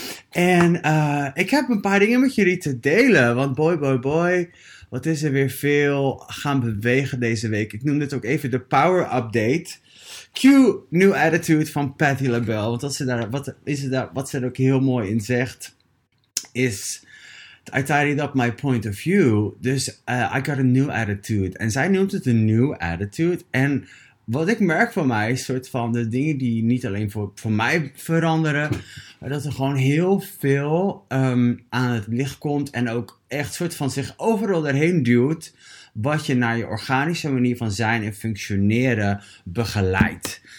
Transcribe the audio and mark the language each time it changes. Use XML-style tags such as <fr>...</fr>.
<nl>En ik heb een paar dingen met jullie te delen, want boy, wat is er weer veel gaan bewegen deze week. Ik noem dit ook even de power update. Q, new attitude van Patti LaBelle, want wat ze daar ook heel mooi in zegt, is...</nl> <en>I tidied up my point of view,</en> <nl>dus</nl> <en>I got a new attitude.</en> <nl>En zij noemt het een new attitude. En wat ik merk van mij, is soort van de dingen die niet alleen voor mij veranderen, maar dat er gewoon heel veel aan het licht komt en ook echt soort van zich overal erheen duwt, wat je naar je organische manier van zijn en functioneren begeleidt.</nl>